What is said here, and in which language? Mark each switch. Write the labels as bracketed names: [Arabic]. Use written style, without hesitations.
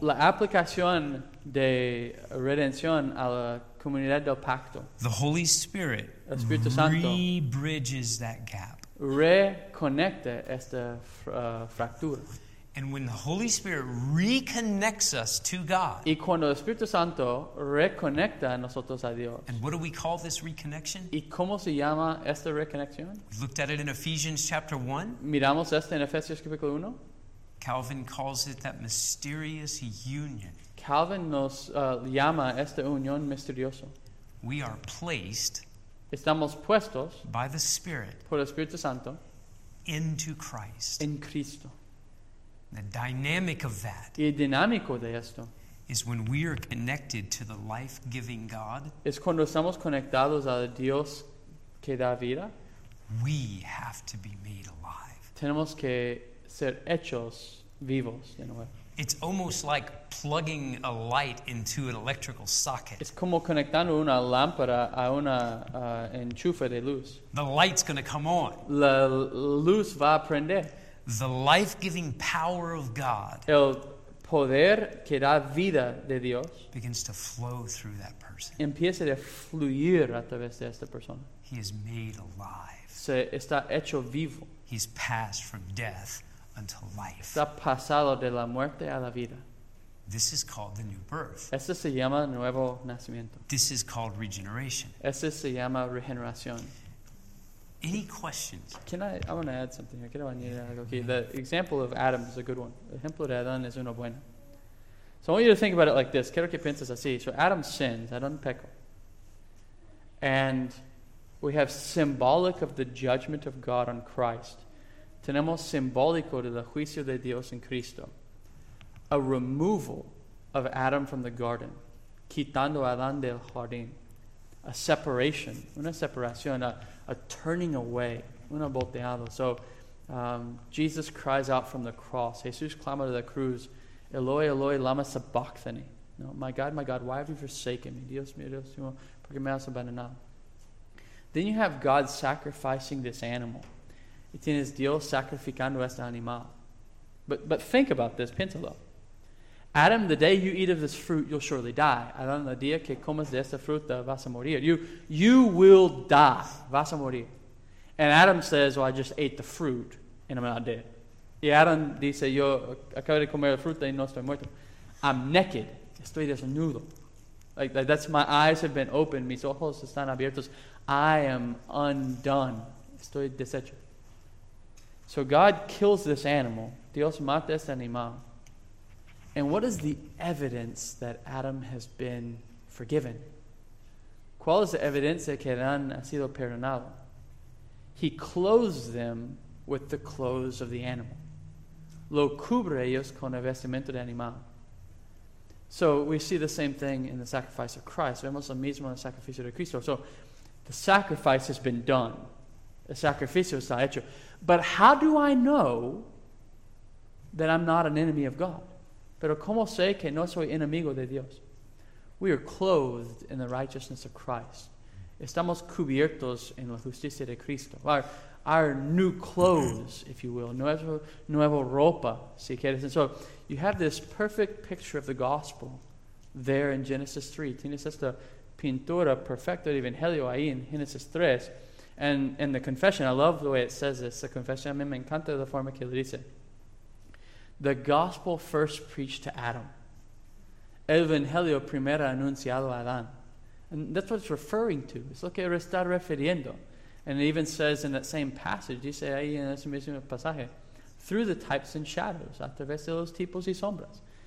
[Spanish] La aplicación de redención a la comunidad del pacto. [English] The Holy Spirit, [Spanish] el Espíritu Santo, [English] re-bridges that gap. [Spanish] Reconecta esta fractura. [English] And when the Holy Spirit reconnects us to God. [Spanish] Y cuando el Espíritu Santo reconecta a nosotros a Dios. [English] And what do we call this reconnection? [Spanish] ¿Y cómo se llama esta reconexión? [English] We looked at it in Ephesians chapter 1. [Spanish] Miramos esto en Efesios capítulo 1. [English] Calvin calls it that mysterious union. [Spanish] Calvin nos llama esta unión misteriosa. [English] We are placed. [Spanish] Estamos puestos. [English] By the Spirit. [Spanish] Por el Espíritu Santo. [English] Into Christ. [Spanish] En Cristo. [English] The dynamic of that. [Spanish] Y el dinámico de esto. [English] Is when we are connected to the life-giving God. [Spanish] Es cuando estamos conectados al Dios que da vida. [English] We have to be made alive. [Spanish] Tenemos que ser hechos vivos de nuevo. [English] It's almost like plugging a light into an electrical socket. [Spanish] Es como conectando una lámpara a una enchufe de luz. [English] The light's going to come on. [Spanish] La luz va a prender. [English] The life-giving power of God. [Spanish] El poder que da vida de Dios. [English] Begins to flow through that person. [Spanish] Empieza a fluir a través de esta persona. [English] He is made alive. [Spanish] Se está hecho vivo. [English] He's passed from death. Unto life. [Spanish] Está pasado de la muerte a la vida. [English] This is called the new birth. [Spanish] Este se llama nuevo nacimiento. [English] This is called regeneration. [Spanish] Este se llama regeneración. [English] Any questions? I want to add something here. [Spanish] Quiero añadir algo aquí. [English] The example of Adam is a good one. [Spanish] El ejemplo de Adán es uno bueno. [English] So I want you to think about it like this. [Spanish] Quiero que pienses así. [English] So Adam sins. [Spanish] Adán pecó. [English] And we have symbolic of the judgment of God on Christ. [Spanish] Tenemos simbólico de la juicio de Dios en Cristo. [English] A removal of Adam from the garden. [Spanish] Quitando a Adán del jardín. [English] A separation. [Spanish] Una separación. [English] A turning away. [Spanish] Una volteado. [English] So, Jesus cries out from the cross. [Spanish] Jesús clama de la cruz. [Aramaic] Eloi, Eloi, lama sabachthani. [English] No, my God, why have you forsaken me? [Spanish] Dios mío, Dios mío, ¿por qué me has abandonado? [English] Then you have God sacrificing this animal. [Spanish] Y tienes Dios sacrificando este animal. [English] But think about this, [Spanish] piénsalo. [English] Adam, the day you eat of this fruit, you'll surely die. [Spanish] Adam, el día que comas de esta fruta, vas a morir. [English] You will die. [Spanish] Vas a morir. [English] And Adam says, well, I just ate the fruit, and I'm not dead. [Spanish] Y Adam dice, yo acabo de comer la fruta y no estoy muerto. [English] I'm naked. [Spanish] Estoy desnudo. [English] Like that's my eyes have been opened. [Spanish] Mis ojos están abiertos. [English] I am undone. [Spanish] Estoy deshecho. [English] So God kills this animal. [Spanish] Dios mata este animal. [English] And what is the evidence that Adam has been forgiven? [Spanish] ¿Cuál es la evidencia que Adán ha sido perdonado? [English] He clothes them with the clothes of the animal. [Spanish] Lo cubre ellos con el vestimento de animal. [English] So we see the same thing in the sacrifice of Christ. [Spanish] Vemos lo mismo en el sacrificio de Cristo. [English] So the sacrifice has been done. [Spanish] El sacrificio está hecho. [English] But how do I know that I'm not an enemy of God? [Spanish] Pero cómo sé que no soy enemigo de Dios? [English] We are clothed in the righteousness of Christ. [Spanish] Estamos cubiertos en la justicia de Cristo. [English] Our new clothes, if you will. [Spanish] Nuevo ropa, si quieres. [English] And so you have this perfect picture of the gospel there in Genesis 3. [Spanish] Tienes esta pintura perfecta del Evangelio ahí en Genesis 3. [English] And in the confession, I love the way it says this. The confession, [Spanish] a mí me encanta la forma que lo dice. [English] The gospel first preached to Adam. [Spanish] El evangelio primero anunciado a Adán. [English] And that's what it's referring to. [Spanish] Es lo que está refiriendo. [English] And it even says in that same passage, [Spanish] dice ahí en ese mismo pasaje, [English] through the types and shadows, [Spanish] a través de los tipos y sombras.